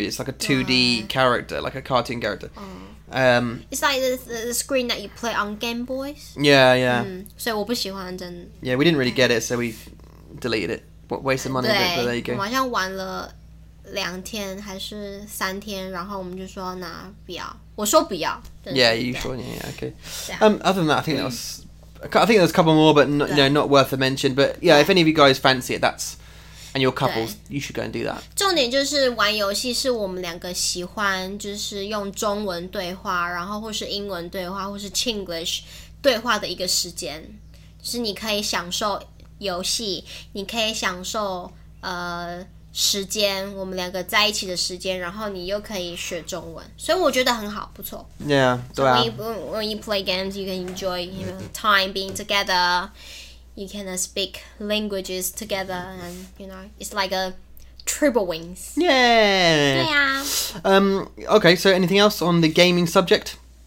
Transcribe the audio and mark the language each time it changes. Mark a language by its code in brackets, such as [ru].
[en] It's like a 2D character, like a cartoon character. It's like the screen that you play on Game Boys. Yeah, yeah. [zh] 所以我不喜欢真。 [en] Yeah, we didn't really get it, so we deleted it. What waste of money? But there you go. [zh] 我好像玩了两天还是三天，然后我们就说那不要。我说不要。 [en] Yeah, you sure? Yeah, okay. Other than that, I think there's a couple more, but no, you know, not worth a mention. But yeah, if any of you guys fancy it, that's and your couples, you should go and do that. [zh] 重点就是玩游戏是我们两个喜欢，就是用中文对话，然后或是英文对话，或是 Chinglish 对话的一个时间，就是你可以享受游戏，你可以享受时间，我们两个在一起的时间，然后你又可以学中文，所以我觉得很好，不错。 Yeah, 对啊。 [en] When you play games, you can enjoy you know, time being together. You can speak languages together, and you know it's like a triple wings. Yeah. [zh] 对啊。 [en] Okay. So anything else on the gaming subject?